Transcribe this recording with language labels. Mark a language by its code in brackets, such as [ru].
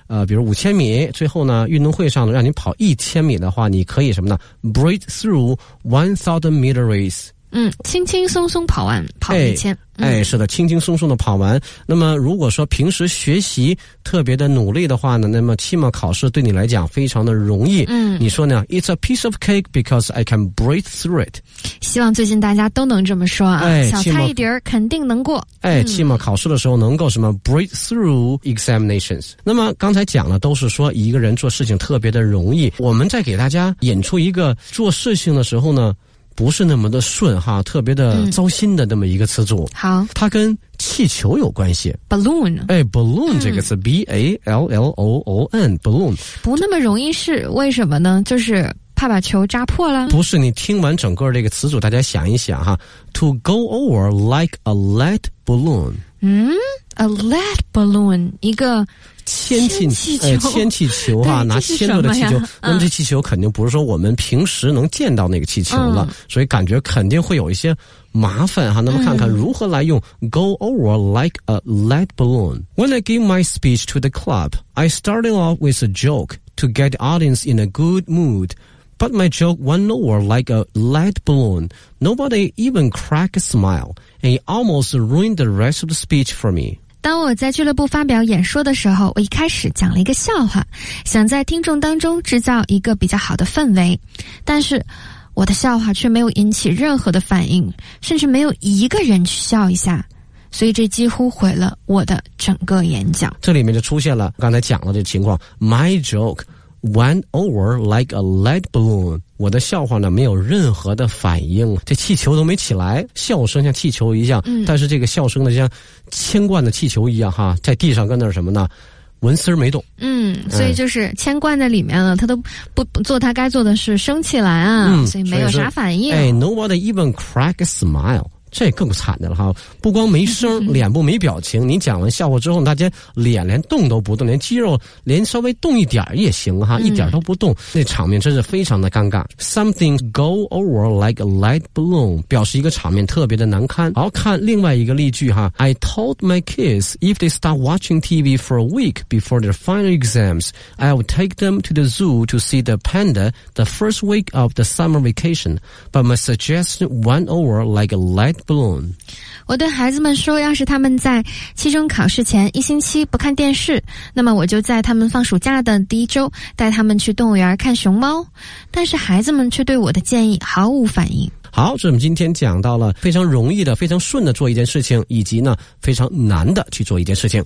[zh] 比如5000米，最后呢运动会上呢让你跑1000米的话，你可以什么呢 [en] breeze through 1000 meter race。 [zh] 嗯，轻轻松松跑完跑1000。哎，是的，轻轻松松的跑完。那么如果说平时学习特别的努力的话呢，那么期末考试对你来讲非常的容易。嗯，你说呢 [en] ？It's a piece of cake because I can breathe through it。 [zh] 希望最近大家都能这么说啊，哎、小菜一碟肯定能过。哎，期末考试的时候能够什么 [en] breathe through examinations、 [zh] 嗯。那么刚才讲了都是说一个人做事情特别的容易，我们再给大家引出一个做事情的时候呢。不是那么的顺哈，特别的糟心的那么一个词组、嗯、好，它跟气球有关系 [en] balloon。 [zh] 哎 balloon 这个词、嗯、B-A-L-L-O-O-N balloon 不那么容易，是为什么呢？就是怕把球扎破了。不是，你听完整个这个词组大家想一想哈， [en] to go over like a lead balloon。嗯， a lead balloon 一个 [zh] 氙气球，哎，氙气球啊，拿铅做的气球，那么这气球肯定不是说我们平时能见到那个气球了，所以感觉肯定会有一些麻烦哈。那么看看如何来用 [en] go over like a lead balloon. When I gave my speech to the club, I started off with a joke to get the audience in a good mood, but my joke went over like a lead balloon. Nobody even cracked a smile, and it almost ruined the rest of the speech for me. [zh] 当我在俱乐部发表演说的时候，我一开始讲了一个笑话，想在听众当中制造一个比较好的氛围，但是我的笑话却没有引起任何的反应，甚至没有一个人去笑一下，所以这几乎毁了我的整个演讲。这里面就出现了刚才讲的这情况， [en] My joke went over like a lead balloon， [zh] 我的笑话呢没有任何的反应，这气球都没起来，笑声像气球一样、嗯、但是这个笑声呢像铅罐的气球一样哈，在地上跟那什么呢，纹丝没动。嗯，所以就是铅罐在里面了，他都不做他该做的事，升起来啊、嗯、所以没有啥反应。哎， [en] nobody even crack a smile， [zh] 这更惨的了哈，不光没声，脸部没表情，你讲完笑话之后大家脸连动都不动，连肌肉连稍微动一点也行哈，一点都不动、嗯、那场面真是非常的尴尬。 [en] Something go over like a light balloon [zh] 表示一个场面特别的难堪。好，看另外一个例句哈， [en] I told my kids if they start watching TV for a week before their final exams, I'll take them to the zoo to see the panda the first week of the summer vacation, but my suggestion went over like a light。 [zh] 我对孩子们说，要是他们在期中考试前一星期不看电视，那么我就在他们放暑假的第一周带他们去动物园看熊猫，但是孩子们却对我的建议毫无反应。好，这我们今天讲到了非常容易的、非常顺的做一件事情，以及呢非常难的去做一件事情。